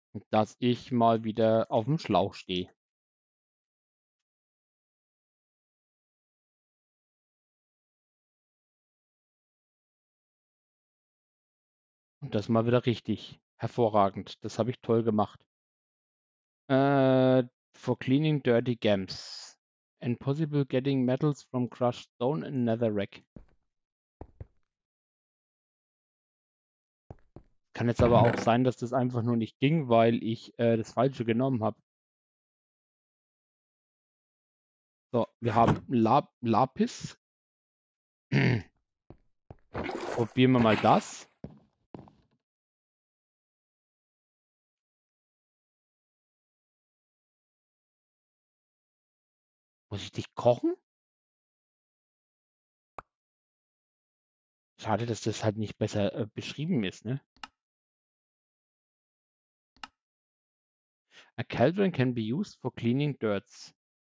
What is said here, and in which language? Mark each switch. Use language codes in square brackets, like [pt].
[de] Dass ich mal wieder auf dem Schlauch stehe. Und das mal wieder richtig. Hervorragend. Das habe ich toll gemacht. [en] For cleaning dirty gems. And possible getting metals from crushed stone and netherrack. [de] Kann jetzt aber auch sein, dass das einfach nur nicht ging, weil ich das Falsche genommen habe. So, wir haben Lapis. Probieren wir mal das. Muss ich dich kochen? Schade, dass das halt nicht besser beschrieben ist, ne? [en] A cauldron can be used for cleaning dirts.